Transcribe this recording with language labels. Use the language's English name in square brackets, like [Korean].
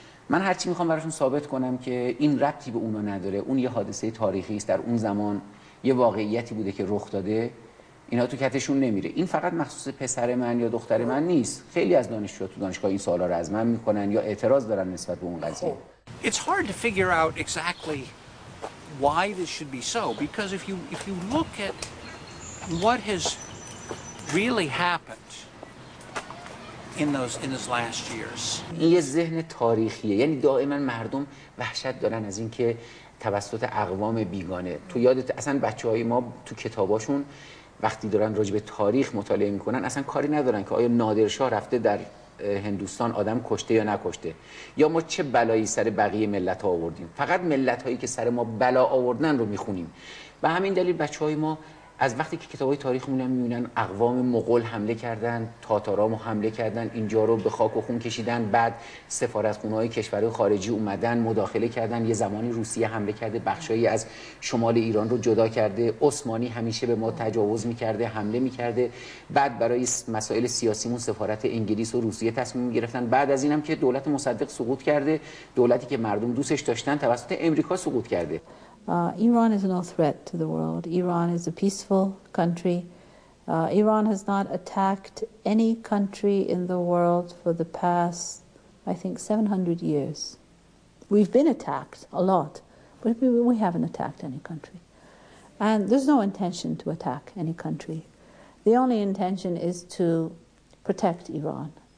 [Persian] من هرچی میخوام براشون ثابت کنم که این ربطی به اونا نداره، اون یه حادثه تاریخی است، در اون زمان یه واقعیتی بوده که رخ داده، اینا تو کتشون نمیره. این فقط مخصوص پسر من یا دختر من نیست، خیلی از دانشجو تو دانشگاه این سوالا رو از من میکنن یا اعتراض دارن نسبت به اون قضیه. [English] It's hard to figure out exactly why this should be so, because if you look at what has really happened in this last years. [Persian] این یه ذهن تاریخیه، یعنی دائما مردم وحشت دارن از اینکه توسط اقوام بیگانه. تو یادت اصلا بچهای ما تو کتاباشون وقتی دارن راجع به تاریخ مطالعه میکنن اصلا کاری ندارن که آیا نادرشاه رفته در هندوستان آدم کشته یا نکشته، یا ما چه بلایی سر بقیه ملت ها آوردیم. فقط ملت هایی که سر ما بلا آوردن رو میخونیم. و همین دلیل بچهای ما از وقتی که کتابای تاریخمون رو میبینن، اقوام مغول حمله کردن، تاتارا هم حمله کردن، اینجا رو به خاک و خون کشیدن، بعد سفارتخونه‌های کشورهای خارجی اومدن، مداخله کردن، یه زمانی روسیه حمله کرده، بخشایی از شمال ایران رو جدا کرده، عثمانی همیشه به ما تجاوز می‌کرده، حمله می‌کرده، بعد برای مسائل سیاسیمون سفارت انگلیس و روسیه تصمیم گرفتن، بعد از اینم که دولت مصدق سقوط کرده، دولتی که مردم دوستش داشتن توسط آمریکا سقوط کرده. [English] Iran is no threat to the world. Iran is a peaceful country. Iran has not attacked any country in the world for the past, I think, 700 years. We've been attacked a lot, but we haven't attacked any country. And there's no intention to attack any country. The only intention is to protect Iran.